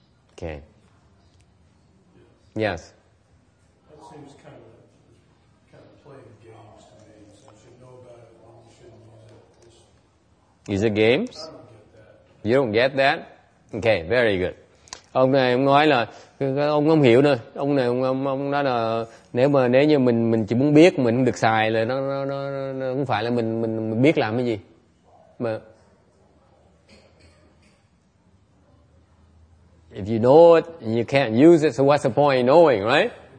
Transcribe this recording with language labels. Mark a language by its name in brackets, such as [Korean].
[English] Okay. Yes? That seems kind of playing games to me. So you should know about it, why you shouldn't use it. Is it games? I don't get that. You don't get that? Okay, very good. [Vietnamese] Ông này ông nói là ông không hiểu nữa. Ông nói là nếu như mình chỉ muốn biết mình không được xài là nó không phải là mình biết làm cái gì. [English] Mà if you know it and you can't use it, so what's the point in knowing, right?